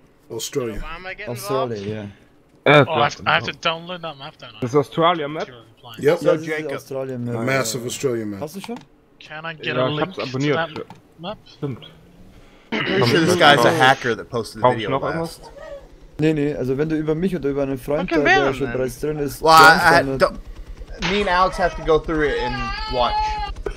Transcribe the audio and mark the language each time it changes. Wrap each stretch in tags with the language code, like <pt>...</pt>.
<en>Australia. Australia, yeah. I have to download that map then. This is Australia map? Yep. So, yeah, Jacob. Australia map. Massive Australia map. How's the show? Can I get a link to that map? This guy's a hacker that posted the video last. Almost?</en> <de>Nee, also wenn du über mich oder über einen Freund,</de> <en>okay,</en> <de>der man, schon bereits drin ist,</de> <en>well, me and Alex have to go through it and watch.</en>